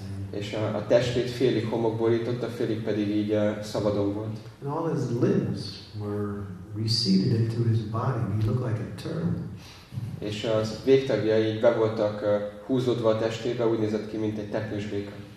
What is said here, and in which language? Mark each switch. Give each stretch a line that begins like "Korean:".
Hungarian: És a testét félig homok borította, félig pedig így szabadon volt.
English: And all his limbs were receded into his body. He looked like a turtle.
Hungarian: És az végtagjai így be voltak húzódva a testébe, úgy nézett ki, mint egy teknős béka.